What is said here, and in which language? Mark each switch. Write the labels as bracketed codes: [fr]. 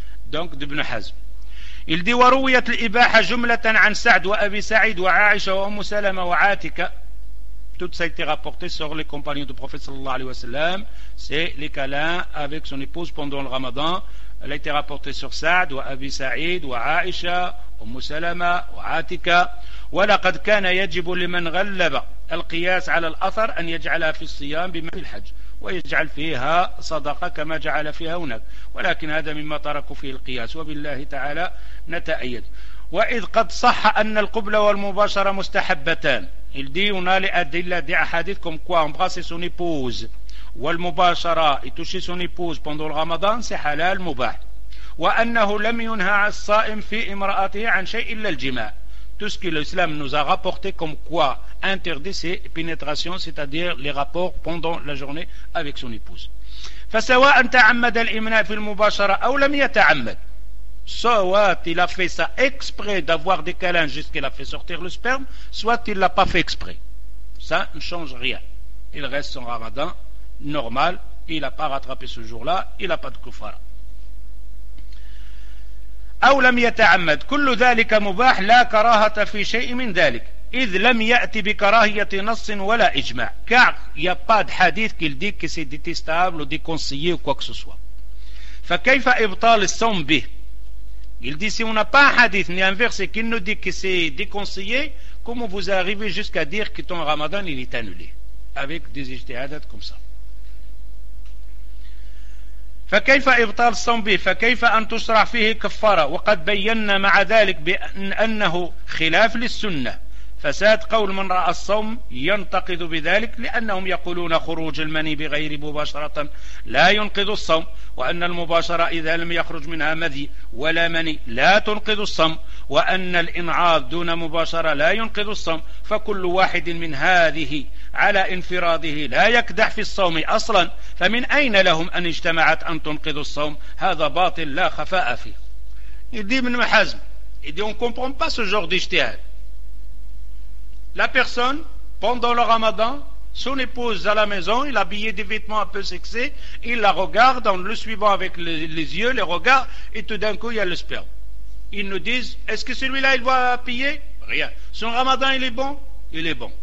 [fr] Donc, d'Ibn Hazm. Il dit: [ar] وَرُوِيَتْ الْإِبَاحَ جُمْلَةً عَنْ سَعْدُ وَأَبِي سَعِيدُ وَعَائِشَ وَأُمُّ سَلَمَةَ وَعَاتِكَ. [fr] Tout ça a été rapporté sur les compagnons du prophète sallallahu alayhi wa sallam. C'est les câlins avec son épouse pendant le ramadan. Elle a été rapportée sur Sa'd, وَأَبِي سَعِيدُ وَعَائِشَ وَأُمُّ سَلَمَةَ وَعَاتِكَ. [ar] وَلَقَدْ كَانَ يَجِبُ لِمَنْ غَلَّبَ القياس على الأثر أن يجعلها في الصيام بما في الحج ويجعل فيها صدقة كما جعل فيها هناك ولكن هذا مما تركوا فيه القياس وبالله تعالى نتأيد. وإذ قد صح أن القبلة والمباشرة مستحبتان [fr] il dit on a les adilla des ahadith comme quoi embrasser son épouse والمباشرة et toucher son épouse pendant le ramadan c'est halal mubah [ar] وأنه لم ينهى الصائم في امرأته عن شيء إلا الجماع. [fr] Tout ce que l'islam nous a rapporté comme quoi interdit ces pénétrations, c'est-à-dire les rapports pendant la journée avec son épouse. [ar] فسواء تعمد الإمناء في المباشرة أو لم يتعمد. [fr] Soit il a fait ça exprès d'avoir des câlins jusqu'il a fait sortir le sperme, soit il ne l'a pas fait exprès. Ça ne change rien. Il reste son ramadan normal, il n'a pas rattrapé ce jour-là, il n'a pas de kuffara. [ar] أو لم يتعمد كل ذلك مباح لا كراهة في شيء من ذلك إذ لم يأتي بكراهية نص ولا إجماع [fr] car il n'y a pas de hadith qui dit que c'est détestable ou déconseillé ou quoi que ce soit. [ar] فكيف إبطال الصوم به [fr] il dit si on n'a pas un hadith ni un verset qui nous dit que c'est déconseillé comment vous arrivez jusqu'à dire que ton ramadan il est annulé avec des ijtihadats comme ça. [ar] فكيف إبطال الصوم به فكيف أن تشرع فيه كفارة وقد بينا مع ذلك بأن أنه خلاف للسنة فساد قول من رأى الصوم ينتقد بذلك لأنهم يقولون خروج المني بغير مباشرة لا ينقض الصوم وأن المباشرة إذا لم يخرج منها مذي ولا مني لا تنقض الصوم وأن الإنعاض دون مباشرة لا ينقض الصوم فكل واحد من هذه على انفراده لا يكدح في الصوم أصلا فمن أين لهم أن اجتمعت أن تنقض الصوم هذا باطل لا خفاء فيه يدي من محزم يدي [fr] on comprend pas ce genre d'ijtihad. La personne, pendant le ramadan, son épouse à la maison, il a habillé des vêtements un peu sexés, il la regarde en le suivant avec les yeux, les regards, et tout d'un coup, il y a le sperme. Ils nous disent, est-ce que celui-là, il doit piller ? Rien. Son ramadan, il est bon ? Il est bon.